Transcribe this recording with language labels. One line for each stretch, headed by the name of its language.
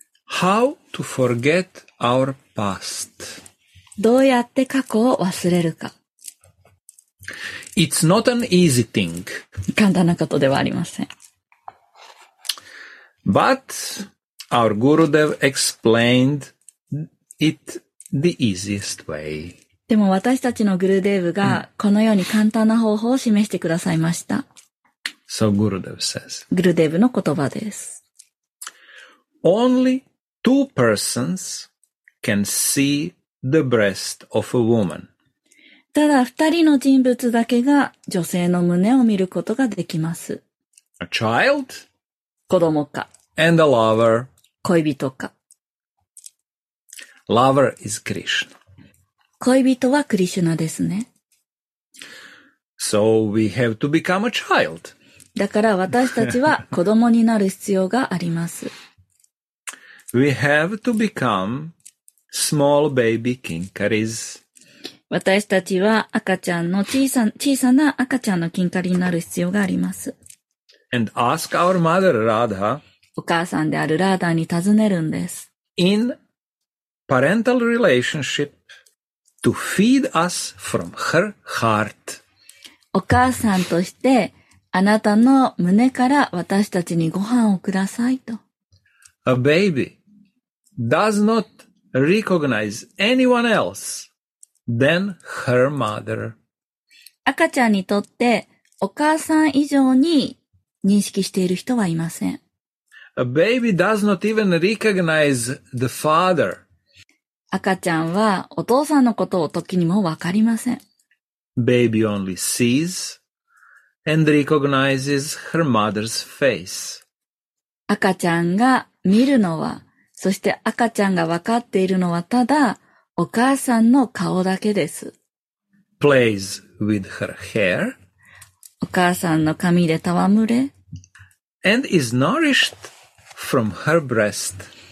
English: How to forget our past?
Japanese: どうやって過去を忘れるか。
English: It's not an easy thing.
Japanese: 簡単なことではありません。
English: But our Gurudev explained it the easiest way.
Japanese: でも私たちのグルデーブがこのように簡単な方法を示してくださいました。
English: So Gurudev says.
Japanese: グルデーブの言葉です。
English: Only two persons can see the breast of a woman.
Japanese: ただ二人の人物だけが女性の胸を見ることができます。
English: A child?
Japanese: 子供か。
English: And a lover.
Japanese: 恋人か。
English: Lover is Krishna.
Japanese: 恋人はクリシュナですね。
English: So we have to become a child.
Japanese: だから私たちは子供になる必要があります。
English: We have to become small baby kinkaris.
Japanese: 私たちは赤ちゃんの小さな赤ちゃんのキンカリになる必要があります。
English: And ask our mother Radha.
Japanese: お母さんであるラーダーに尋ねるんです。
English: In parental relationship to feed us from her heart.
Japanese: お母さんとしてあなたの胸から私たちにご飯をくださいと。
English: A baby does not recognize anyone else than her mother.
Japanese: 赤ちゃんにとってお母さん以上に認識している人はいません。
English: A baby does not even recognize the father.
Japanese: 赤ちゃんはお父さんのことを時にもわかりません。
English: Baby only sees and recognizes her mother's face.
Japanese: 赤ちゃんが見るのは、そして赤ちゃんがわかっているのはただお母さんの顔だけです。
English: Plays with her hair.
Japanese: お母さんの髪で戯れ。
English: And is nourished from her breast.